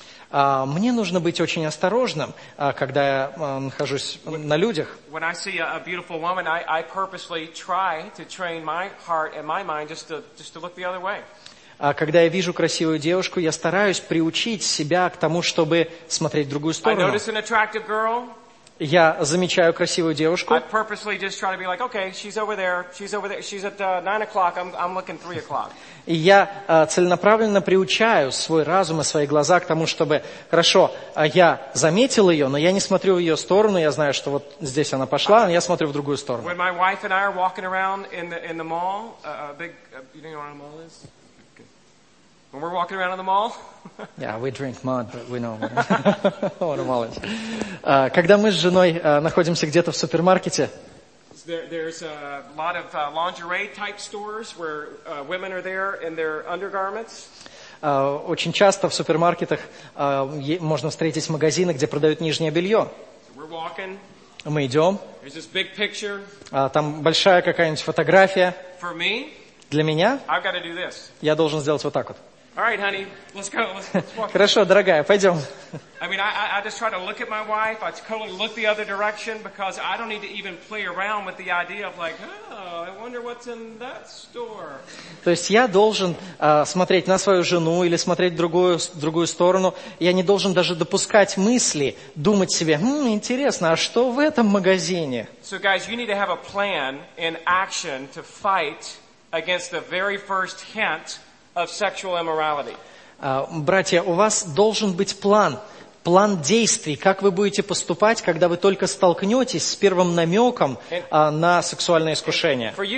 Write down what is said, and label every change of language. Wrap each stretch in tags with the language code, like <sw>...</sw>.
<ru>Мне нужно быть очень осторожным, когда я нахожусь на людях.</ru> <en>When I see a beautiful woman, I purposely try to train my heart and my mind just to look the other way.</en> <ru>Когда я вижу красивую девушку, я стараюсь приучить себя к тому, чтобы смотреть в другую сторону.</ru> <en>I notice an attractive girl.</en> <ru>Я замечаю красивую девушку.</ru> <en>I purposely just try to be like, okay, she's over there, she's at 9 o'clock, I'm looking 3 o'clock.</en> <ru>И я целенаправленно приучаю свой разум и свои глаза к тому, чтобы, хорошо, я заметил ее, но я не смотрю в ее сторону, я знаю, что вот здесь она пошла, но я смотрю в другую сторону.</ru> <en>When my wife and I are walking around in the mall, a big, you know where the mall is? When we're walking around in the mall. Yeah, we drink mud, but we know what a mall is.</en> <ru>Когда мы с женой находимся где-то в супермаркете.</ru> <en>There's a lot of lingerie type stores where women are there in their undergarments.</en> <ru>Очень часто в супермаркетах можно встретить магазины, где продают нижнее белье.</ru> <en>So we're walking.</en> <ru>Мы идем.</ru> <en>There's this big picture.</en> <ru>Там большая какая-нибудь фотография.</ru> <en>For me.</en> <ru>Для меня.</ru> <en>I've got to do this.</en> <ru>Я должен сделать вот так вот.</ru> <en>All right, honey, let's go. Let's walk.</en> <ru>Хорошо, дорогая, пойдем.</ru> <en>I mean, I just try to look at my wife. I totally look the other direction because I don't need to even play around with the idea of like, oh, I wonder what's in that store.</en> <ru>То есть я должен смотреть на свою жену или смотреть другую сторону. Я не должен даже допускать мысли, думать себе, интересно, а что в этом магазине?</ru> <en>So, guys, you need to have a plan in action to fight against the very first hint of sexual immorality.</en> <ru>Братья, у вас должен быть план план действий, как вы будете поступать, когда вы только столкнетесь с первым намеком на сексуальное искушение.</ru>